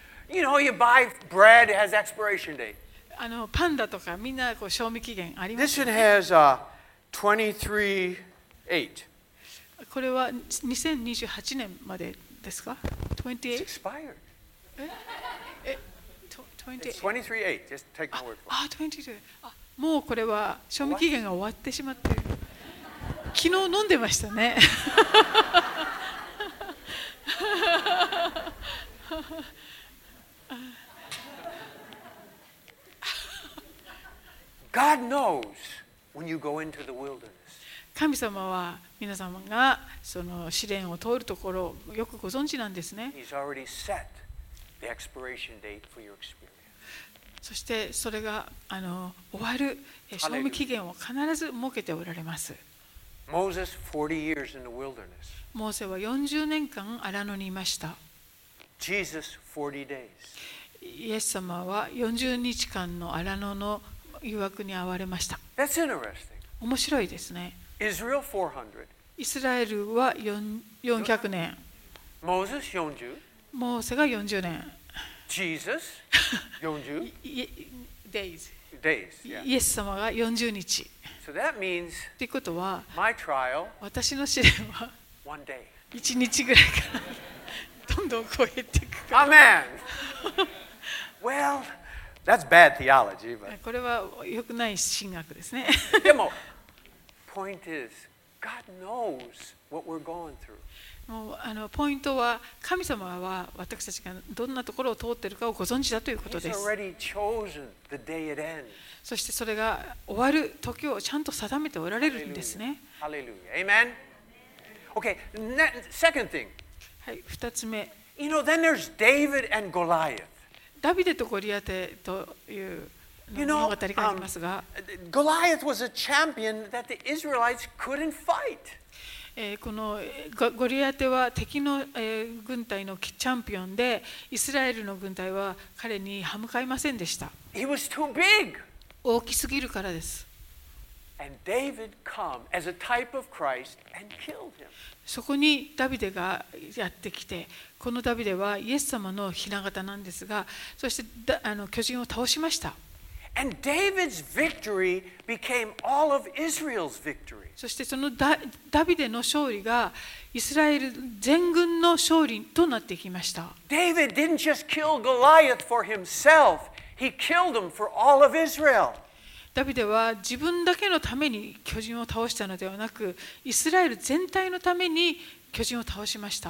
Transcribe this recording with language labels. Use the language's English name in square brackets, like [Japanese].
[English] You know, you buy bread, it has expiration date. [Japanese] パンダとかみんなこう賞味期限ありますよね。 [English] This one has a 23-8. [Japanese] これは2028年までですか [English] ?28? It's expired. It's 23-8. Just take the word for it. [Japanese] あ、もうこれは賞味期限が終わってしまってる。昨日飲んでましたね。 [English] God knows when you go into the wilderness. [Japanese] 神様は皆様がその試練を通るところをよくご存知なんですね。 [English] He's already set the expiration date for your experience. [Japanese] そしてそれが終わる賞味期限を必ず設けておられます。 [English] Moses 40 years in the wilderness. [Japanese] モーセは40年間荒野にいました。 [English] Jesus, 40 days. [Japanese] イエス様は40日間の荒野の誘惑に遭われました。 [English] That's interesting. [Japanese] 面白いですね。 [English] Israel, 400. [Japanese] イスラエルは400年。 [English] Moses, 40. [Japanese] モーセが40年。 [English] Jesus, 40. days. Days, yeah. [Japanese] イエス様が40日。 [English] So that means [Japanese] ということは、 [English] my trial, [Japanese] 私の試練は、一日ぐらいからどんどん超えていくから。 [English] Amen. Well, that's bad theology, but. [Japanese] これは良くない神学ですね。でも、 [English] point is, God knows what we're going through. [Japanese] もうポイントは、神様は私たちがどんなところを通っているかをご存知だということです。 [English] He's already chosen the day it ends. [Japanese] そしてそれが終わる時をちゃんと定めておられるんですね。 [English] Hallelujah. Amen. Okay, second thing. [Japanese] はい、二つ目。 [English] You know, then there's David and Goliath. [Japanese] ダビデとゴリアテという物語がありますが、 [English] Goliath was a champion that the Israelites couldn't fight. [Japanese] このゴリアテは敵の軍隊のチャンピオンで、イスラエルの軍隊は彼に歯向かいませんでした。 [English] He was too big. [Japanese] 大きすぎるからです。 [English] And David come as a type of Christ and killed him. [Japanese] そこにダビデがやってきて、このダビデはイエス様の雛形なんですが、そして巨人を倒しました。 [English] And David's victory became all of Israel's victory. [Japanese] そしてそのダビデの勝利がイスラエル全軍の勝利となっていきました。 [English] David didn't just kill Goliath for himself. He killed him for all of Israel. [Japanese] ダビデは自分だけのために巨人を倒したのではなく、イスラエル全体のために巨人を倒しました。